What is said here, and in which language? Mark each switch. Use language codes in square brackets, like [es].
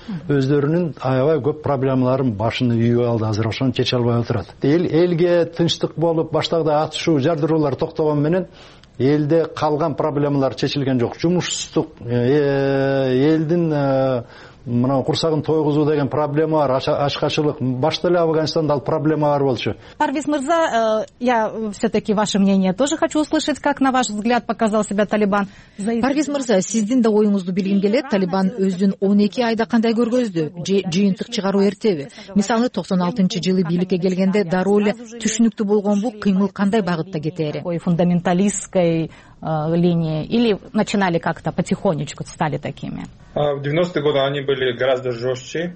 [ky] Өздөрүнүн аябай көп проблемаларын башын үйүп алды, азыр ошону чече албай отурат. Элге тынчтык болуп, баштагыдай атышуу жардыруулар токтогон менен элде калган проблемалар чечилген жок. Жумушсуздук, элдин мына курсагын тойгузуу деген проблема бар, ачкачылык. Башта эле Афганистанда ал проблема бар болчу. [ru] Парвиз Мырза, я все-таки ваше мнение тоже хочу услышать, как на ваш взгляд показал себя Талибан. [ky] Парвиз Мырза, сиздин да оюңузду билгим келет, Талибан өзүн 12 айда кандай көргөздү? Жыйынтык чыгаруу эртеби? Мисалы, 96-чы жылы бийликке келгенде дароо эле түшүнүктүү болгонбу, кыймыл кандай багытта кетери? [ru] Ой, фундаменталисткой линии, или начинали как-то потихонечку, стали такими? В 90-е годы они были гораздо жестче.